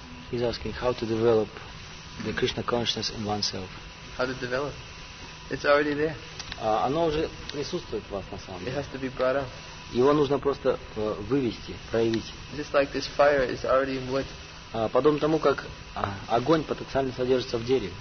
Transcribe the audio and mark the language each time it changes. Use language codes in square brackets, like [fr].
[en] He's asking how to develop the Krishna consciousness in oneself. How to develop? It's already there. [ru] Оно уже присутствует в вас на самом деле. [en] It has to be brought up. [ru] Его нужно просто вывести, проявить. [en] Just like this fire is already in wood. [ru] Подобно тому, как огонь потенциально содержится в дереве.